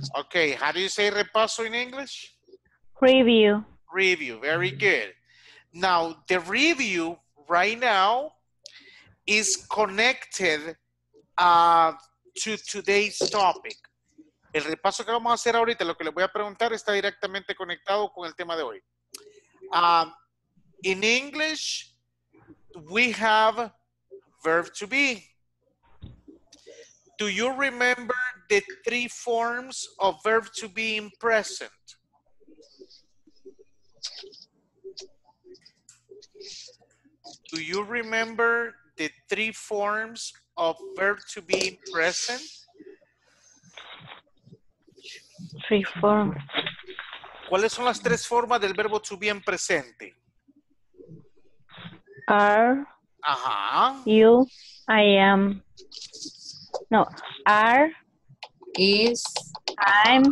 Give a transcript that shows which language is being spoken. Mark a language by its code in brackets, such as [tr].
[en] Okay. How do you say repaso in English? Review. Review. Very good. Now, the review right now is connected to today's topic. [es] El repaso que vamos a hacer ahorita, lo que les voy a preguntar, está directamente conectado con el tema de hoy. [en] In English, we have verb to be. Do you remember the three forms of verb to be in present? Do you remember the three forms of verb to be in present? Three forms. [es] ¿Cuáles son las tres formas del verbo to be en presente? [en] Are. Ajá. You. I am. No. Are. Is. I'm.